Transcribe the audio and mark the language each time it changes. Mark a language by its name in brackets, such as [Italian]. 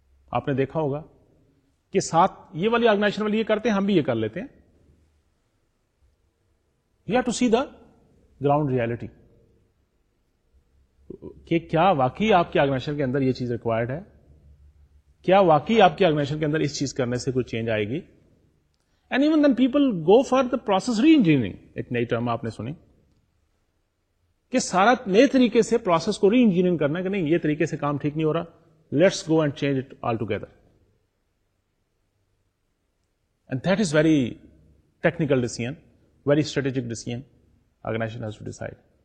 [Urdu] آپ نے دیکھا ہوگا کہ ساتھ یہ والی آرگنائزیشن والی یہ کرتے ہیں, ہم بھی یہ کر لیتے ہیں. [English] you have to see the ground reality [Urdu] کہ کیا واقعی آپ کی آرگنائزیشن کے اندر یہ چیز ریکوائرڈ ہے, کیا واقعی آپ کی آرگنائزیشن کے اندر اس چیز کرنے سے کوئی چینج آئے گی. [English] And even then people go for the process re-engineering. [Urdu] ایک نئی ٹرم آپ نے سنی کہ سارا نئے طریقے سے پروسیس کو ری انجینئرنگ کرنا ہے, کہ نہیں یہ طریقے سے کام ٹھیک نہیں ہو رہا, [English] Let's go and change it all together. And that is very technical decision, very strategic decision organisation has to decide.